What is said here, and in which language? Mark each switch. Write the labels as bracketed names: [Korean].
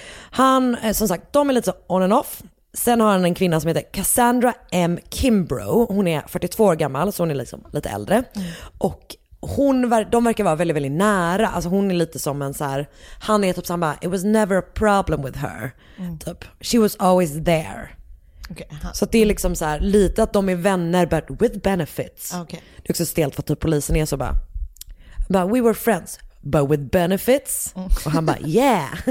[Swedish] Han, som sagt, de är lite så [English] on and off. [Swedish] Sen har han en kvinna som heter Cassandra M. Kimbrough. Hon är 42 år gammal, så hon är liksom lite äldre. Och de verkar vara väldigt, väldigt nära. Alltså hon är lite som en så här, han är typ så här, [English] it was never a problem with her. Typ, she was always there. Okay. [Swedish] Så det är liksom så här, lite att de är vänner [English] but with benefits. Okay. [Swedish] Det är också stelt för att polisen är så bara, [English] but we were friends but with benefits. [Swedish] Och han bara, yeah.